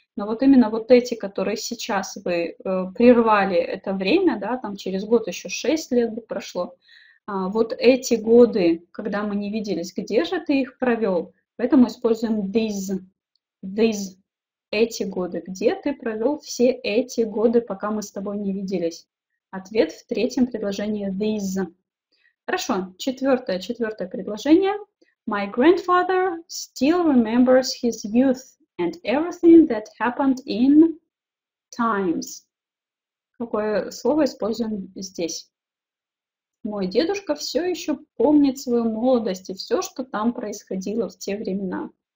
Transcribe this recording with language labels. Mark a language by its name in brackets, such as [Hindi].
[Russian] Но вот именно вот эти, которые сейчас вы прервали это время, да, там через год еще 6 лет бы прошло, вот эти годы, когда мы не виделись, где же ты их провел? Поэтому используем these. These. Эти годы. Где ты провел все эти годы, пока мы с тобой не виделись? Ответ в третьем предложении these. Хорошо. Четвертое предложение. [English] My grandfather still remembers his youth and everything that happened in times. [Russian] Какое слово используем здесь? Мой дедушка все еще помнит свою молодость и все, что там происходило в те времена.